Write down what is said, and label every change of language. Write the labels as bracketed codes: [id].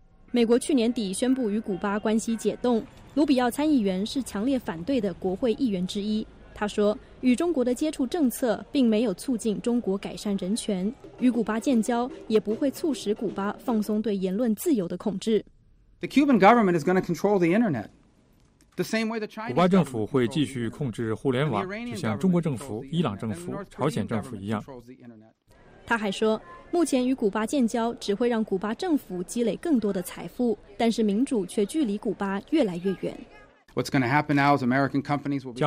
[zh] 美国去年底宣布与古巴关系解冻，卢比奥参议员是强烈反对的国会议员之一。他说，与中国的接触政策并没有促进中国改善人权，与古巴建交也不会促使古巴放松对言论自由的控制。 [en] The Cuban government is going to control the internet, the same way the Chinese. [zh] 古巴政府会继续控制互联网，就像中国政府、伊朗政府、朝鲜政府一样。他还说，目前与古巴建交只会让古巴政府积累更多的财富，但是民主却距离古巴越来越远。 [en] What's going to happen now is American companies will.